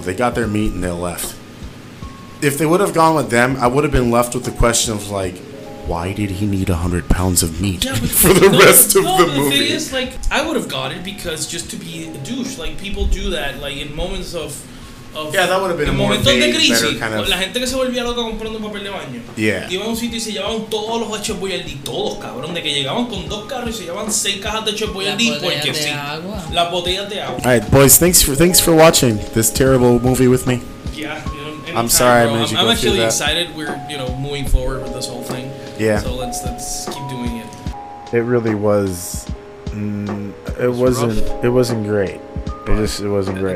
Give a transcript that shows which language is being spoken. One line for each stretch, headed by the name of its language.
English: They got their meat and they left. If they would have gone with them, I would have been left with the question of, like, why did he need 100 pounds of meat for the rest of the movie? The thing is, like, I would have got it because just to be a douche, like, people do that, like, in moments of... Yeah, that would have been a more vague, better kind of...
Spanish: La gente que se volvía loca comprando papel de baño.
English: Yeah.
Spanish: Iba a un sitio y se llevaban todos los hechos boyardí, todos, cabrón. De que llegaban con dos carros y se llevaban seis cajas de hechos boyardí. Las botellas de agua. Las botellas de agua.
English: Alright, boys, thanks for watching this terrible movie with me. Yeah, you know, anytime, I'm sorry bro, I made you I'm go through that. I'm actually excited we're, you know, moving forward with this whole thing. Yeah. So let's keep doing it. It really was... It wasn't great. It wasn't great.